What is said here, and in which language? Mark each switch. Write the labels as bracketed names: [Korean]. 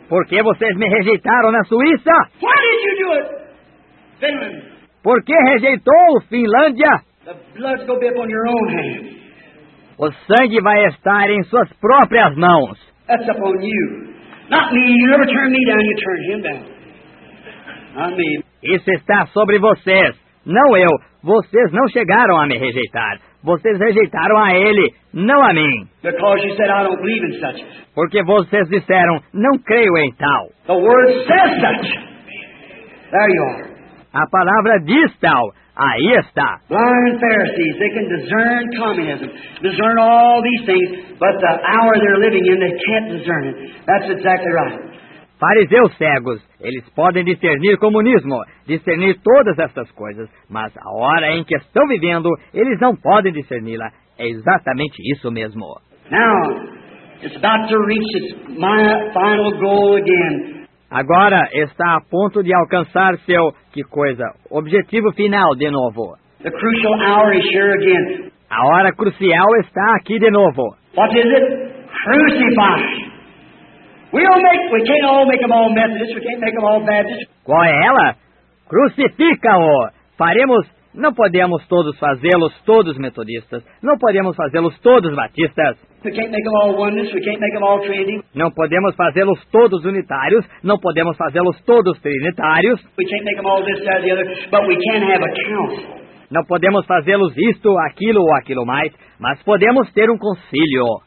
[Portuguese] Por que vocês me rejeitaram na Suíça? [English] Why did you do it? Finland. [Portuguese] Por que rejeitou Finlândia? [English] The blood will be upon your own hands. [Portuguese] O sangue vai estar em suas próprias mãos. [English] That's upon you. Not me. You never turn me down, you turn him down. Not me. [Portuguese] Isso está sobre vocês. Não eu. Vocês não chegaram a me rejeitar. Vocês rejeitaram a ele, não a mim. [English] Because you said, I don't believe in such. [Portuguese] Porque vocês disseram, não creio em tal. [English] The word says such. There you are. [Portuguese] A palavra diz tal. Aí está. [English] Blind Pharisees, they can discern communism, discern all these things, but the hour they're living in, they can't discern it. That's exactly right. [Portuguese] Fariseus cegos, eles podem discernir comunismo, discernir todas essas coisas, mas a hora em que estão vivendo, eles não podem discerni-la. É exatamente isso mesmo. [English] Now, It's about to reach its my final goal again. [Portuguese] Agora está a ponto de alcançar seu, que coisa, objetivo final de novo. [English] The crucial hour is here again. [Portuguese] A hora crucial está aqui de novo. [English] What is it? Crucify. We can't all make them all Methodists, we can't make them all Baptists. [Portuguese] Qual é ela? Crucifica-o! Faremos, não podemos todos fazê-los todos metodistas, não podemos fazê-los todos batistas. [English] We can't make them all oneness, we can't make them all trinity. [Portuguese] Não podemos fazê-los todos unitários, não podemos fazê-los todos trinitários. [English] We can't make them all this, that, the other, but we can have a council. [Portuguese] Não podemos fazê-los isto, aquilo ou aquilo mais, mas podemos ter um concílio.